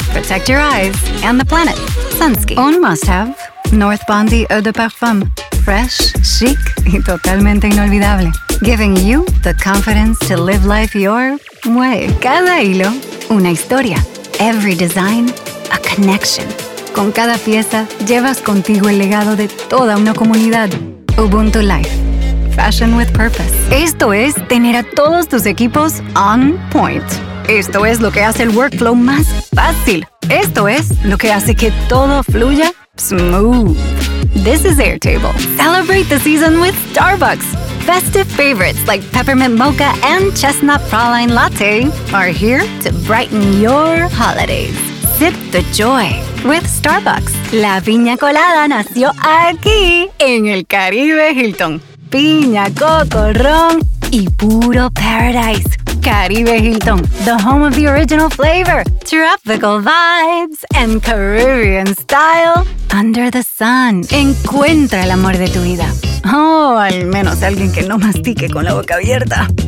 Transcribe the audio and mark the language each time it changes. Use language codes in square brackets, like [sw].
[en] Protect your eyes and the planet. Sunski. [es] Un must-have. [en] North Bondi Eau de Parfum. Fresh, chic, [es] y totalmente inolvidable. [en] Giving you the confidence to live life your way. [es] Cada hilo, una historia. [en] Every design, a connection. [es] Con cada pieza, llevas contigo el legado de toda una comunidad. Ubuntu Life. [en] Fashion with purpose. [es] Esto es tener a todos tus equipos on point. Esto es lo que hace el workflow más fácil. Esto es lo que hace que todo fluya smooth. [en] This is Airtable. Celebrate the season with Starbucks. Festive favorites like peppermint mocha and chestnut praline latte are here to brighten your holidays. Sip the joy with Starbucks. [es] La piña colada nació aquí en el Caribe Hilton. Piña, coco, ron y puro paradise. [en] Caribe Hilton, the home of the original flavor. Tropical vibes and Caribbean style under the sun. [es] Encuentra el amor de tu vida. Oh, al menos alguien que no mastique con la boca abierta.